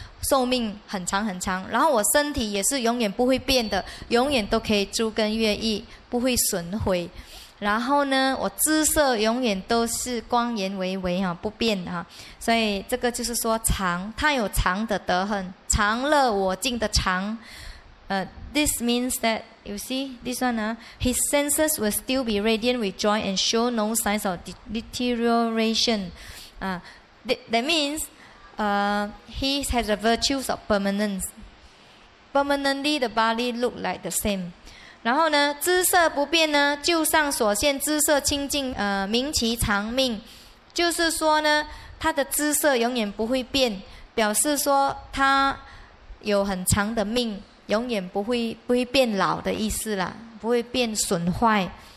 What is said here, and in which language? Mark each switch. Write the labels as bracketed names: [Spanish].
[Chinese] 寿命很长很长，然后我身体也是永远不会变的，永远都可以诸根越狱不会损毁，然后呢我姿色永远都是光颜微微不变的，所以这个就是说常，他有常的德行，常乐我净的常。 [English] This means that you see this one、his senses will still be radiant with joy and show no signs of deterioration、that means、he has the virtues of permanence, permanently the body look like the same。 [Chinese] 然后呢姿色不变呢，就上所现姿色清净，名其常命，就是说呢他的姿色永远不会变，表示说他有很长的命，永远不会变老的意思啦，不会变损坏。